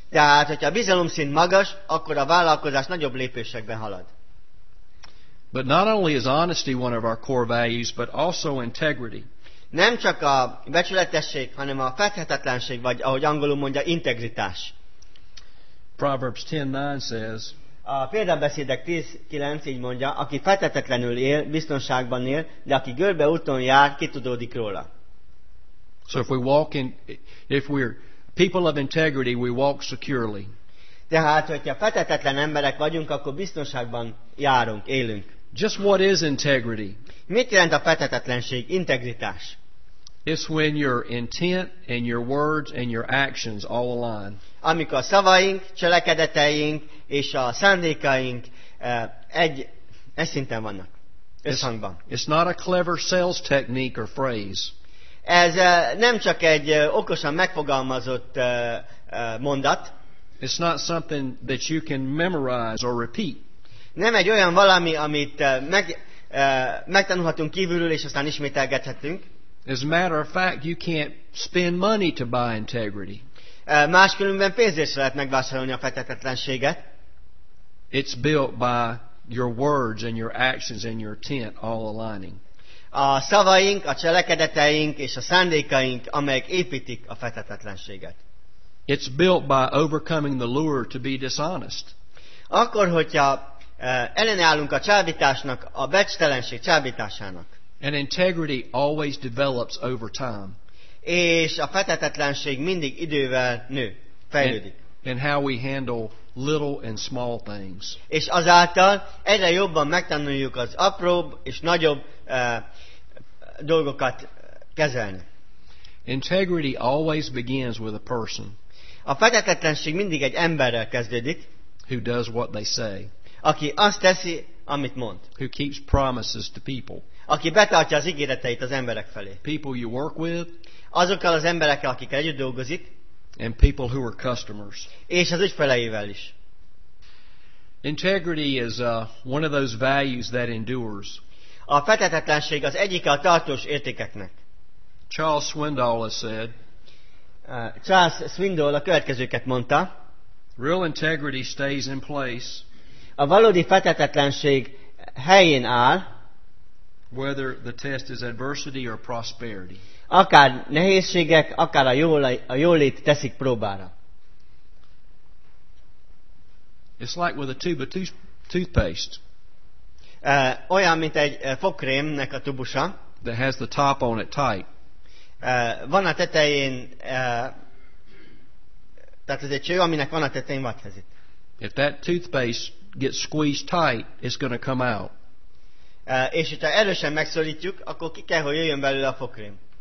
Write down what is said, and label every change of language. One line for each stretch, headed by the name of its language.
Hungarian: Tehát, hogyha a bizalomszint magas, akkor a vállalkozás nagyobb lépésekben halad.
English: But not only is honesty one of our core values, but also integrity.
Hungarian: Nem csak a becsületesség, hanem a feszhetetlenség, vagy ahogy angolul mondja, integritás.
English: Proverbs 10:9 says,
Hungarian: a Példabeszédek 10:9 így mondja, aki feszhetetlenül él, biztonságban él, de aki görbe úton jár, kitudódik róla.
English: So if we walk in, if we're people of integrity, we walk securely.
Hungarian: Tehát, hogyha feszhetetlen emberek vagyunk, akkor biztonságban járunk, élünk.
English: Just what is integrity?
Hungarian: Mit jelent a feszhetetlenség, integritás?
English: It's when your intent and your words and your actions all align.
Hungarian: Amikor a szavaink, cselekedeteink és a szándékaink egy szinten vannak, összhangban.
English: It's not a clever sales technique or phrase.
Hungarian: Ez nem csak egy okosan megfogalmazott mondat.
English: It's not something that you can memorize or repeat.
Hungarian: Nem egy olyan valami, amit megtanulhatunk kívülről, és aztán ismételgethetünk.
English: As a matter of fact, you can't spend money to buy integrity.
Hungarian: Máskülönben pénzért sem lehet megvásárolni a feszhetetlenséget.
English: It's built by your words and your actions and your intent all aligning.
Hungarian: A szavaink, a cselekedeteink és a szándékaink, amelyek építik a feszhetetlenséget.
English: It's built by overcoming the lure to be dishonest.
Hungarian: Akkor, hogyha ellenállunk a csábításnak, a becstelenség csábításának.
English: And integrity always develops over time.
Hungarian: És a feszhetetlenség mindig idővel nő, fejlődik.
English: And how we handle little and small things.
Hungarian: És azáltal egyre jobban megtanuljuk az apróbb és nagyobb dolgokat kezelni.
English: Integrity always begins with a person.
Hungarian: A feszhetetlenség mindig egy emberrel kezdődik.
English: Who does what they say.
Hungarian: Aki azt teszi, amit mond.
English: Who keeps promises to people.
Hungarian: Aki betartja az ígéreteit az emberek felé.
English: People you work with.
Hungarian: Azokkal az emberekkel, akikkel együtt dolgozik.
English: And people who are customers.
Hungarian: És az ügyfeleivel is.
English: Integrity is one of those values that endures.
Hungarian: A feszhetetlenség az egyike a tartós értékeknek.
English: Charles Swindoll has said.
Hungarian: Charles Swindoll a következőket mondta.
English: Real integrity stays in place.
Hungarian: A valódi feszhetetlenség helyén áll.
English: Whether the test is adversity or prosperity.
Hungarian: Akár nehézségek, akár a jólét teszik próbára.
English: It's like with a tube of toothpaste.
Hungarian: Olyan, mint egy fogkrémnek a tubusa.
English: That has the top on it tight.
Hungarian: Van a tetején, tehát ez egy cső, aminek van a tetején vadhezit.
English: If that toothpaste gets squeezed tight, it's going to come out.
Hungarian: És hogyha erősen megszorítjuk, akkor ki kell, hogy jöjjön belőle a fogkrém.